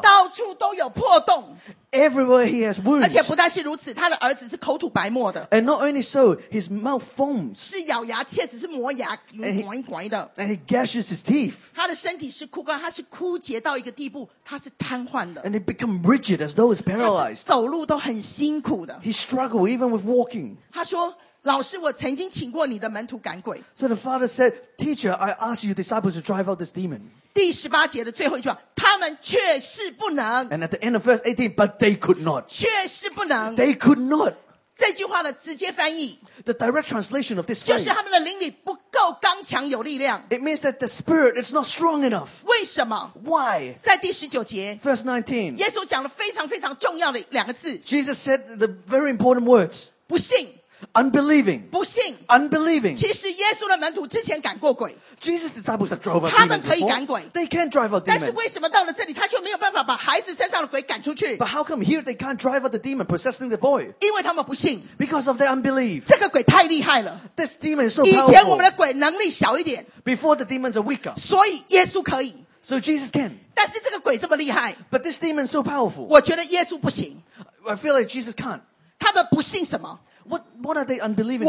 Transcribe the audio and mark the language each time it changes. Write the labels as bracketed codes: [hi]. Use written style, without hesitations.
[zh] 到处都有破洞。 [en] Everywhere he has wounds. [zh] 而且不但是如此，他的儿子是口吐白沫的。 [en] And not only so, his mouth foams. [zh] 是咬牙切齿，是磨牙，拐拐的。 [en] And he gashes his teeth. [zh] 他的身体是枯干，他是枯竭到一个地步，他是瘫痪的。 [en] And he become rigid as though he's paralyzed. [zh] 走路都很辛苦的。 [en] He struggled even with walking. [zh] 他说。老师，我曾经请过你的门徒赶鬼。 [en] So the father said, "Teacher, I asked your disciples to drive out this demon." [zh] 第十八节的最后一句话，他们却是不能。 [en] And at the end of verse 18, but they could not. [zh] 却是不能。 [en] They could not. [zh] 这句话的直接翻译 [en] ，the direct translation of this phrase, [zh] 就是他们的灵力不够刚强有力量。 [en] It means that the spirit is not strong enough. [zh] 为什么 [en] ？Why? [zh] 在第十九节 [en] ，verse 19, [zh] 耶稣讲了非常非常重要的两个字。 [en] Jesus said the very important words. [zh] 不信。 [en] Unbelieving, [zh] 不信 [en] unbelieving. [zh] 其实耶稣的门徒之前赶过鬼 [en] Jesus' disciples have drove out demons before. [zh] 他们可以赶鬼 [en] They can drive out demons. [zh] 但是为什么到了这里，他却没有办法把孩子身上的鬼赶出去 [en] ？But how come here they can't drive out the demon possessing the boy? [zh] 因为他们不信 [en] Because of their unbelief. [zh] 这个鬼太厉害了 [en] This demon is so powerful. [zh] 以前我们的鬼能力小一点 [en] Before the demons are weaker. [zh] 所以耶稣可以 [en] So Jesus can. [zh] 但是这个鬼这么厉害 [en] But this demon is so powerful. [zh] 我觉得耶稣不行 [en] I feel like Jesus can't. [zh] 他们不信什么？ [en] What are they unbelieving about?